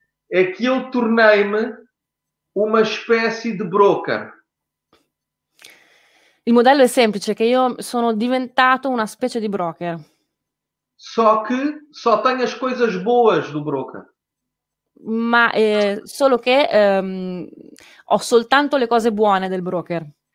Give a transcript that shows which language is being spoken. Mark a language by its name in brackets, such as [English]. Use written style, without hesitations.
[Portuguese] É que eu tornei-me uma espécie de broker. [Italian] Il modello è semplice, che io sono diventato una specie di broker. [Portuguese] Só que só tenho as coisas boas do broker. [Italian] Ma solo che ho soltanto le cose buone del broker.